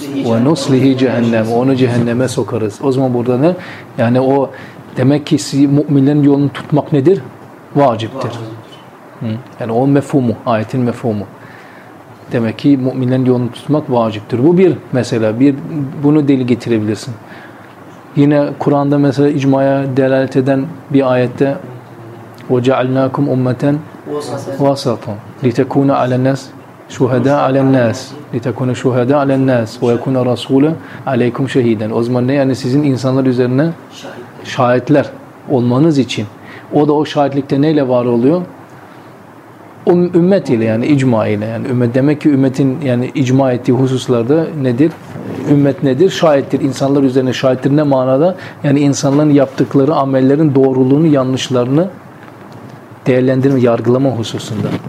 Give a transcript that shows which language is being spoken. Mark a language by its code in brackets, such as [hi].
[ar] Ve nuslihi cehennem. [tr] Onu cehenneme sokarız. O zaman burada ne? Yani o demek ki müminlerin yolunu tutmak nedir? Vaciptir. Yani o mefhumu, ayetin mefhumu. Demek ki müminlerin yolunu tutmak vaciptir. Bu bir mesela. Bir bunu delil getirebilirsin. Yine Kur'an'da mesela icmaya delalet eden bir ayette [ar] وَجَعَلْنَاكُمْ اُمَّةً وَسَطًا لِتَكُونَ عَلَى النَّاسِ شُهَدَاءَ عَلَى النَّاسِ لِتَكُونَ شُهَدَاءَ عَلَى النَّاسِ وَيَكُونَ رَسُولًا عَلَيْكُمْ شَهِيدًا. [tr] O zaman ne? Yani sizin insanlar üzerine şahitler olmanız için. O da o şahitlikte neyle var oluyor? Ümmet ile yani icma ile yani ümmet demek ki ümmetin yani icma ettiği hususlarda nedir? Ümmet nedir? Şahittir. İnsanlar üzerine şahittir ne manada? Yani insanların yaptıkları amellerin doğruluğunu, yanlışlarını değerlendirme, yargılama hususunda.